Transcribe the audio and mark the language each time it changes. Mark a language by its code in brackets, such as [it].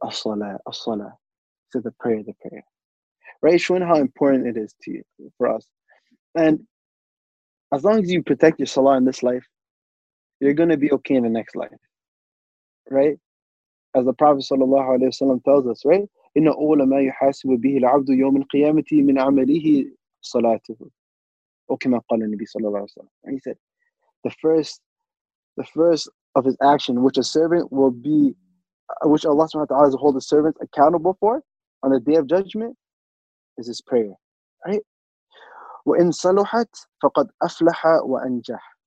[en] As-salah, as-salah. To the prayer, right? Showing how important it is to you, for us. And as long as you protect your salah in this life, you're going to be okay in the next life, right? As the Prophet sallallahu alaihi wasallam tells us, right? [ar] إن أول ما يحاسب به العبد يوم القيامة من عمله صلاته. وكما قال النبي صلى الله عليه وسلم. [en] And he said, the first of his action, which a servant will be, which Allah subhanahu wa ta'ala will hold the servant accountable for on the day of judgment, is his prayer. Right? [ar] وَإِن صَلُحَتْ فَقَدْ أَفْلَحَ وَأَنْجَحَ.